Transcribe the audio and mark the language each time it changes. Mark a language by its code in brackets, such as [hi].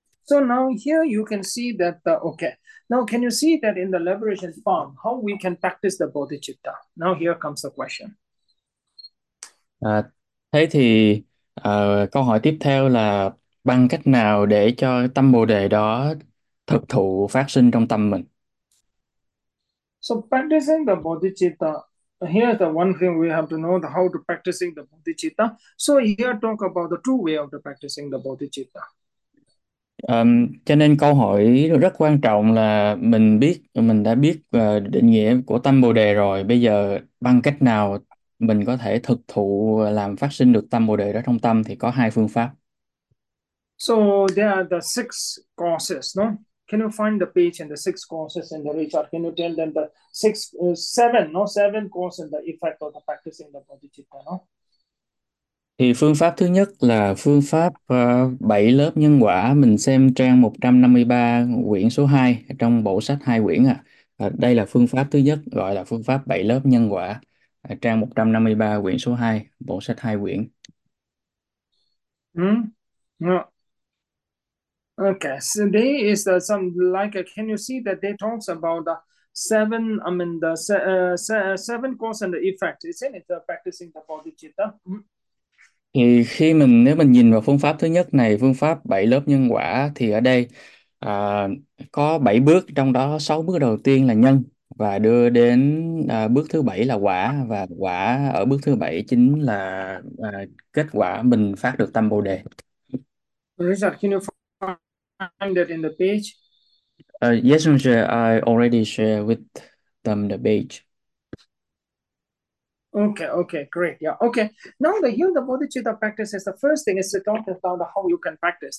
[en] So now here you can see that okay. Now can you see that in the liberation form how we can practice the bodhicitta? Now here comes the question. [vi] Thế thì câu hỏi tiếp theo là bằng cách nào để cho tâm Bồ đề đó thực thụ phát sinh trong tâm mình? [en] So practicing the bodhicitta. Here's the one thing we have to know the how to practicing the bodhicitta. So here talk about the two way of the practicing the bodhicitta. [vi] Cho nên câu hỏi rất quan trọng là mình đã biết định nghĩa của tâm Bồ đề rồi, bây giờ bằng cách nào mình có thể thực thụ làm phát sinh được tâm Bồ đề đó trong tâm, thì có hai phương pháp. [en] So there are the six courses, no? Can you find the page and the six courses in the retreat? Can you tell them the six, seven, no? Seven courses in the effect of the practicing the bodhicitta, no? [vi] Thì phương pháp thứ nhất là phương pháp 7 lớp nhân quả, mình xem trang 153 quyển số 2 trong bộ sách hai quyển ạ. Đây là phương pháp thứ nhất, gọi là phương pháp 7 lớp nhân quả. Trang 153 quyển số 2, bộ sách 2 quyển. [en] No. Okay, so there is some like can you see that they talks about the seven, I mean the seven cause and the effect, isn't it? The practicing the bodhicitta. [vi] Thì khi mình nếu mình nhìn vào phương pháp thứ nhất này, phương pháp 7 lớp nhân quả, thì ở đây có 7 bước, trong đó 6 bước đầu tiên là nhân, và đưa đến bước thứ bảy là quả, và quả ở bước thứ bảy chính là kết quả mình phát được tâm Bồ đề. [en] Richard, can you find it in the page. Yes, sir, I already share with them the page. Okay, great. Yeah, okay. Now the here the bodhicitta practices, the first thing is to talk about how you can practice.